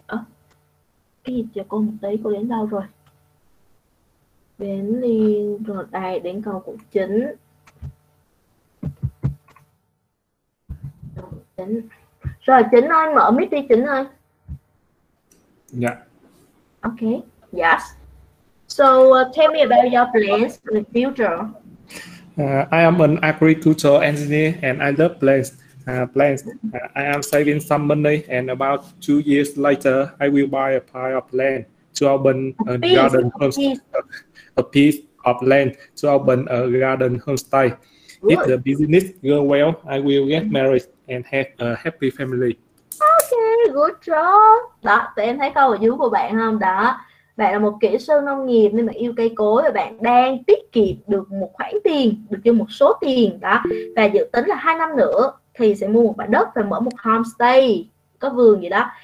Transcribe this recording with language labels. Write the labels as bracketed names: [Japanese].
[Vietnamese] À, cái gì chờ cô một tí, cô đến đâu rồi? Đến Liên, rồi đây, đến câu của Chính. Rồi Chính ơi, mở mic đi Chính ơi. [English] Dạ. Yeah. Ok, yes. So tell me about your plans in the future. I am an agricultural engineer and I love plants. I am saving some money and about 2 years later I will buy a pile of land to open a garden homestay. Good. If the business goes well, I will get married and have a happy family. Okay, good job. [Vietnamese] Đó, tụi em thấy câu ở dưới của bạn không? Đó, bạn là một kỹ sư nông nghiệp nên mà yêu cây cối và bạn đang tiết kiệm được một khoản tiền, được cho một số tiền đó. Và dự tính là 2 năm nữa thì sẽ mua một mảnh đất và mở một homestay, có vườn gì đó.